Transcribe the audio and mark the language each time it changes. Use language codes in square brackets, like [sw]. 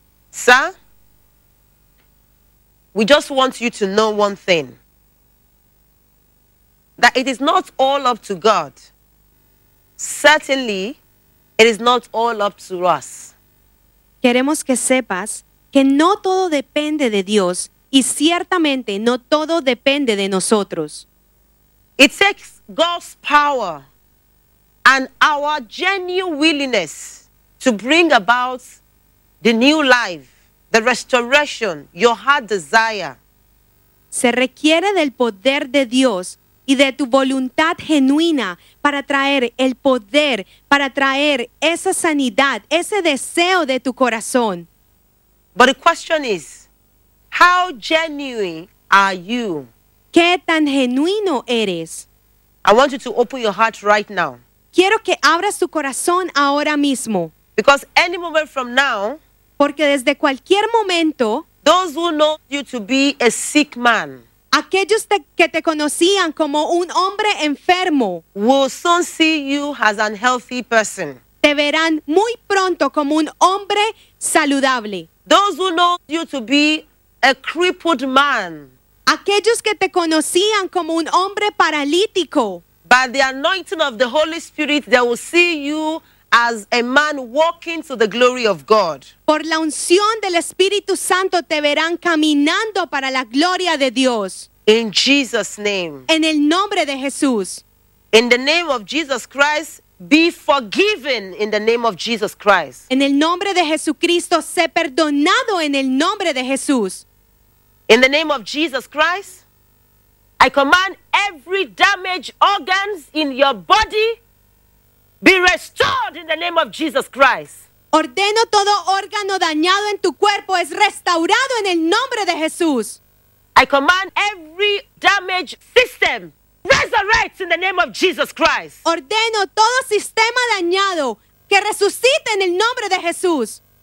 [en] Sir, we just want you to know one thing, that it is not all up to God. Certainly, it is not all up to us. [es] Queremos que sepas que no todo depende de Dios y ciertamente no todo depende de nosotros. [en] It takes God's power and our genuine willingness to bring about the new life, the restoration, your heart desire. [es] Se requiere del poder de Dios y de tu voluntad genuina para traer el poder, para traer esa sanidad, ese deseo de tu corazón. [en] But the question is, how genuine are you? [es] ¿Qué tan genuino eres? [en] I want you to open your heart right now. [es] Quiero que abras tu corazón ahora mismo. [en] Because any moment from now, [es] porque desde cualquier momento, [en] those who know you to be a sick man, [es] aquellos que te conocían como un hombre enfermo [en] will soon see you as an healthy person. [es] Te verán muy pronto como un hombre saludable. [en] Those who know you to be a crippled man, [es] aquellos que te conocían como un hombre paralítico, [en] by the anointing of the Holy Spirit, they will see you as a man walking to the glory of God. [es] Por la unción del Espíritu Santo te verán caminando para la gloria de Dios. [en] In Jesus' name. [es] En el nombre de Jesús. [en] In the name of Jesus Christ, be forgiven in the name of Jesus Christ. [es] En el nombre de Jesucristo, sé perdonado en el nombre de Jesús. [en] In the name of Jesus Christ, I command every damaged organs in your body be restored in the name of Jesus Christ. [es] Ordeno todo órgano dañado en tu cuerpo es restaurado en el nombre de Jesús. [en] I command every damaged system resurrect in the name of Jesus Christ. [es] Ordeno todo sistema dañado que resucite en el nombre de Jesús.